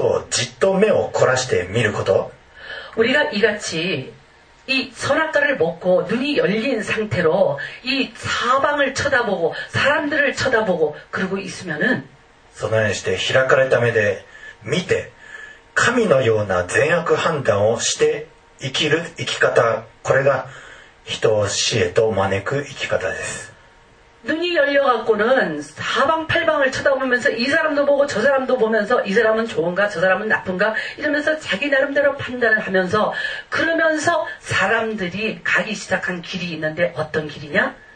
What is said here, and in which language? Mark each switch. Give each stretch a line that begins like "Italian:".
Japanese: このように神のように開かれた目で周りの状況や周りの人をじっと目を凝らして見ること.
Korean: 우리가 이같이 이 선악과를 먹고 눈이 열린 상태로 이 사방을 쳐다보고 사람들을 쳐다보고 그러고 있으면은,
Japanese: そのようにして開かれた目で見て神のような善悪判断をして生きる生き方、これが人を死へと招く生き方です.
Korean: 눈이 열려갖고는 사방팔방을 쳐다보면서 이 사람도 보고 저 사람도 보면서 이 사람은 좋은가 저 사람은 나쁜가 이러면서 자기 나름대로 판단을 하면서, 그러면서 사람들이 가기 시작한 길이 있는데 어떤 길이냐?